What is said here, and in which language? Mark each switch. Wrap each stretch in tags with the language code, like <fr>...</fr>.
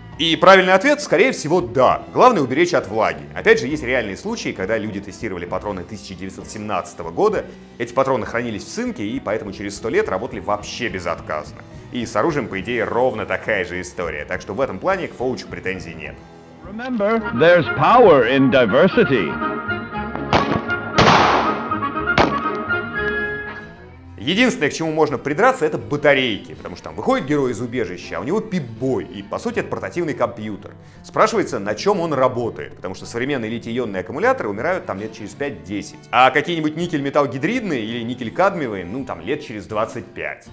<ru>И правильный ответ, скорее всего, да. Главное уберечь от влаги. Опять же, есть реальные случаи, когда люди тестировали патроны 1917 года. Эти патроны хранились в цинке, и поэтому через 100 лет работали вообще безотказно. И с оружием, по идее, ровно такая же история. Так что в этом плане к Fallout претензий нет.</ru> <en>Remember, there's power in diversity.</en> <ru>Единственное, к чему можно придраться, это батарейки, потому что там выходит герой из убежища, а у него пип-бой, и по сути это портативный компьютер. Спрашивается, на чем он работает, потому что современные литий-ионные аккумуляторы умирают там лет через 5-10. А какие-нибудь никель-металл-гидридные или никель-кадмиевые, ну там лет через 25.</ru>